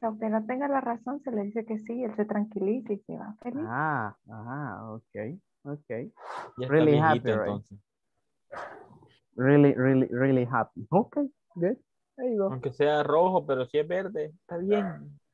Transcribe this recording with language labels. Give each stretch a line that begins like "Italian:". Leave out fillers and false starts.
Spanish: Aunque no tenga la razón, se le dice que sí, él se tranquiliza y se va feliz.
English: Okay. Really happy, right? Really, really, really happy. Okay, good.
Spanish: Ahí va. Aunque sea rojo, pero si es verde, está bien.